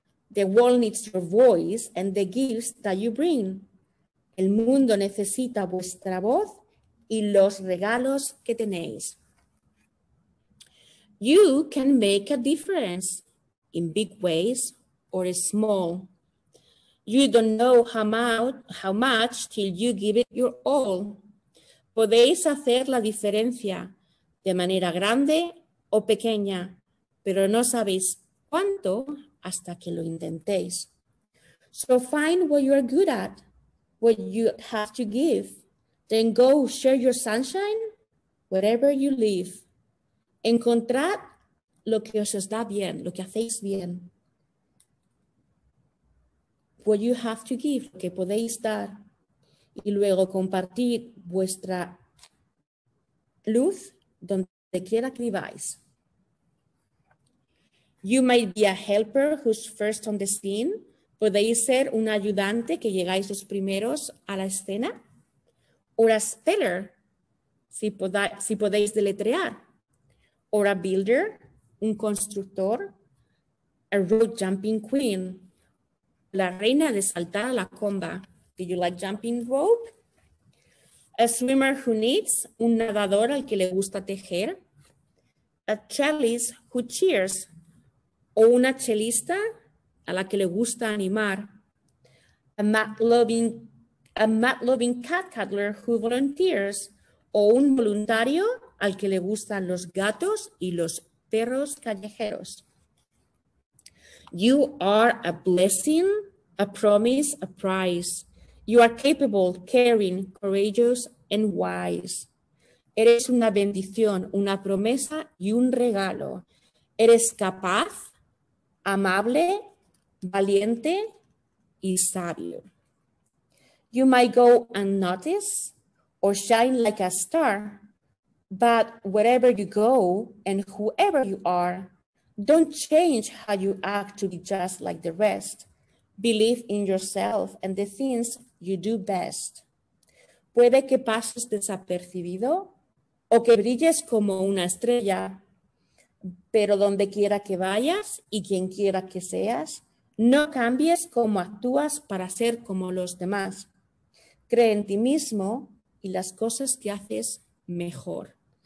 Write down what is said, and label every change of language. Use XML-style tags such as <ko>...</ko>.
<en>The world needs your voice and the gifts that you bring.</en> <es>El mundo necesita vuestra voz y los regalos que tenéis.</es> <en>You can make a difference in big ways or small. You don't know how much till you give it your all.</en> <es>Podéis hacer la diferencia de manera grande o pequeña, pero no sabéis cuánto hasta que lo intentéis.</es> <en>So find what you are good at, what you have to give. Then go share your sunshine wherever you live.</en> <es>Encontrad lo que os da bien, lo que hacéis bien.</es> <en>What you have to give,</en> <es>lo que podéis dar. Y luego compartid vuestra luz donde quiera que viváis.</es> <en>You might be a helper who's first on the scene.</en> <es>Podéis ser un ayudante que llegáis los primeros a la escena.</es> <en>Or a speller,</en> <es>si podéis deletrear.</es> <en>Or a builder,</en> <es>un constructor,</es> <en>a rope jumping queen,</en> <es>la reina de saltar a la comba.</es> <en>Do you like jumping rope? A swimmer who knits,</en> <es>un nadador al que le gusta tejer.</es> <en>A cellist who cheers,</en> <es>o una chelista a la que le gusta animar.</es> <en>A mat loving cat cuddler who volunteers,</en> <es>o un voluntario al que le gustan los gatos y los perros callejeros.</es> <en>You are a blessing, a promise, a prize. You are capable, caring, courageous, and wise.</en> <es>Eres una bendición, una promesa y un regalo. Eres capaz, amable, valiente, y sabio.</es> <en>You might go unnoticed or shine like a star, but wherever you go and whoever you are, don't change how you act to be just like the rest. Believe in yourself and the things you do best.</en> <es>Puede que pases desapercibido o que brilles como una estrella, pero donde quiera que vayas y quien quiera que seas, no cambies cómo actúas para ser como los demás. Cree en ti mismo y las cosas que haces mejor.</es>